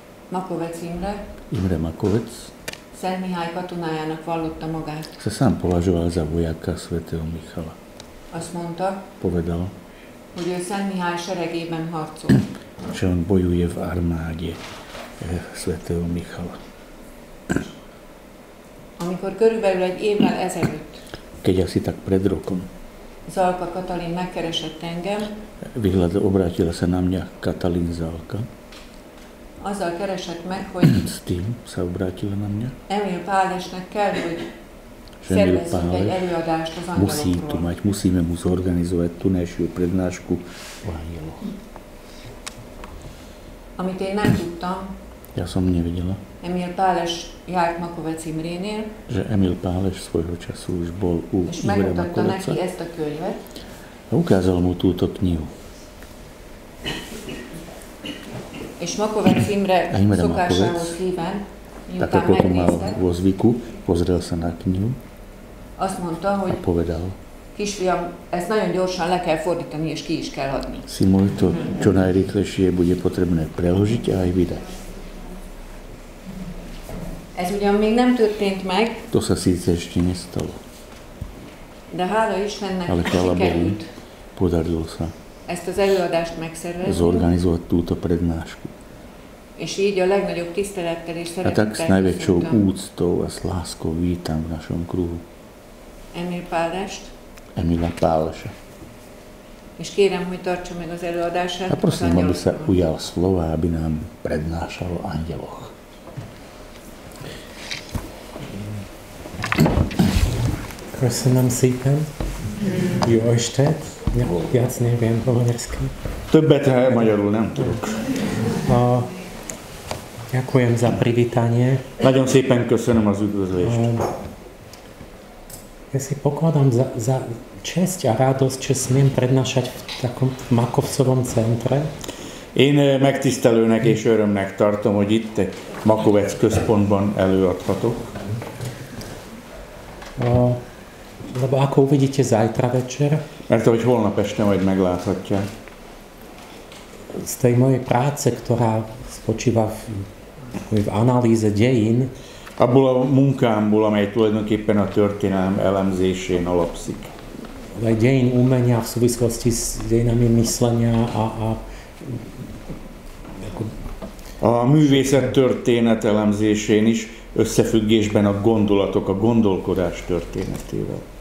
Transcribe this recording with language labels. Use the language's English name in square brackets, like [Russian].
[Hungarian] Makovec Imre. [Slovak] Imre Makovec. [Hungarian] Szent Mihály katonájának vallotta magát. [Slovak] Sa sám považoval za vojaka svätého Michala. [Hungarian] Azt mondta. [Slovak] Povedal. [Hungarian] Hogy ő Szent Mihály seregében harcol. [Slovak] Že on bojuje v armáde svätého Michala. [Hungarian] Amikor körülbelül egy évvel ezelőtt. [Slovak] Keď asi tak pred rokom. [Hungarian] Zalka Katalin megkeresett engem. [Slovak] Obrátila sa na mňa Katalin Zalka. [Hungarian] Azzal keresett meg, hogy [Slovak] s tým sa obrátila na mňa. [Hungarian] Emil Pálesnek kell, hogy szervezzünk egy előadást az angyalokról. [Slovak] Musí tu mať, musíme mu zorganizovať tú nejšiu prednášku o angyaloch. [Hungarian] Amit én nem tudtam. [Slovak] Ja som nevidela. [Hungarian] Emil Páles járt Makovec Imrénél. [Slovak] Že Emil Páles svojho času už bol u Imre Makovca. [Hungarian] És megmutatta neki ezt a könyvet. [Slovak] A ukázal mu túto knihu. [Hungarian] És Makovec Imre szokásához híven, [Slovak] tak ako to mal vo zvyku, pozrel sa na knihu. [Hungarian] Azt mondta, hogy [Slovak] a povedal. [Hungarian] Kisfiam, ezt nagyon gyorsan le kell fordítani, és ki is kell adni. [Slovak] Si môj to čo najrýchlejšie bude potrebné preložiť a aj vydať. [Hungarian] Ez ugyan még nem történt meg. [Slovak] To sa síce ešte nestalo. [Hungarian] De hála Istennek [Slovak] ale hála Bohu, podarilo sa [Hungarian] ezt az előadást megszervezni. [Slovak] Zorganizovať túto prednášku. [Hungarian] És így a legnagyobb tisztelettel és szeretettel. [Slovak] A tak s najväčšou úctou a s láskou vítam v našom kruhu. [Hungarian] Emil Pálest. [Slovak] Emila Pálesa. [Hungarian] És kérem, hogy tartsa meg az előadását. [Slovak] A prosím, aby sa ujal slova, aby nám prednášal o angyaloch. [Hungarian] Köszönöm szépen, jó estet, játsz névén holonyerszkén. Többet magyarul nem tudok. [Slovak] Ďakujem za privítanie. [Hungarian] Nagyon szépen köszönöm az üdvözlést. [Slovak] Ja si pokladám za česť a radosť, čo smiem prednášať v takom Makovcovom centre. [Hungarian] Én megtisztelőnek és örömnek tartom, hogy itt Makovec központban előadhatok. [Slovak] Lebo ako uvidíte zajtra večer? [Hungarian] Mert hogy holnap este majd megláthatja. [Slovak] Z tej mojej práce, ktorá spočíva v analýze dejín. [Hungarian] Abból a munkámból, amely tulajdonképpen a történelem elemzésén alapszik. [Slovak] aj dejin umenia v súvislosti s dejinami myslenia a ako... [Hungarian] A művészet történet elemzésén is összefüggésben a gondolatok, a gondolkodás történetével.